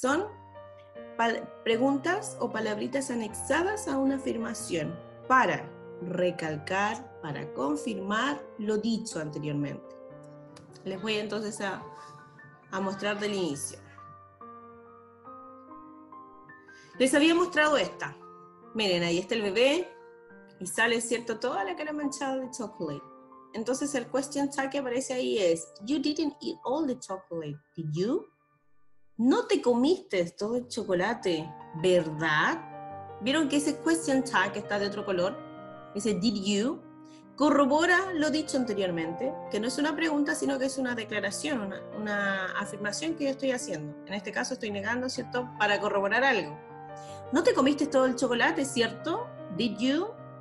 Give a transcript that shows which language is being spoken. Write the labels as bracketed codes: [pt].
[es] Son preguntas o palabritas anexadas a una afirmación para recalcar, para confirmar lo dicho anteriormente. Les voy entonces a mostrar del inicio. Les había mostrado esta. Miren, ahí está el bebé y sale, ¿cierto?, toda la cara manchada de chocolate. Entonces el question tag que aparece ahí es, [en] you didn't eat all the chocolate, did you? [es] No te comiste todo el chocolate, ¿verdad? ¿Vieron que ese question tag está de otro color? Ese [en] did you [es] corrobora lo dicho anteriormente, que no es una pregunta, sino que es una declaración, una afirmación que yo estoy haciendo. En este caso estoy negando, ¿cierto? Para corroborar algo. No te comiste todo el chocolate, ¿cierto? [en] Did you?